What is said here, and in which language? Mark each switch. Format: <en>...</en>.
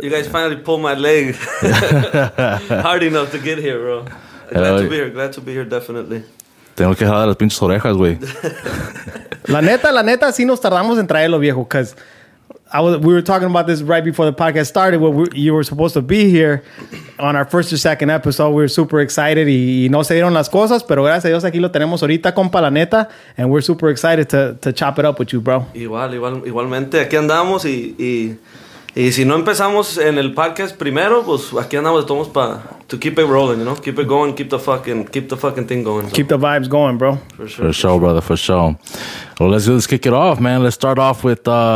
<en>you guys finally pulled my leg. Hard enough to get here, bro. Glad to be here, definitely.</en> <es>Tengo que jalar las pinches orejas, güey. La neta, sí nos tardamos en traerlo, viejo,</es> <en>because... We were talking about this right before the podcast started. Where you were supposed to be here on our first or second episode. We were super excited</en> <es>y no se dieron las cosas, pero gracias a Dios aquí lo tenemos ahorita, compa, la neta.</es> <en>And we're super excited to chop it up with you, bro.</en> <es>Igualmente, aquí andamos y si no empezamos en el podcast primero, pues aquí andamos todos</es> <en>to keep it rolling, you know? Keep it going, keep the fucking thing going. So. Keep the vibes going, bro. For sure, brother, for sure. Well, let's kick it off, man. Let's start off with...</en>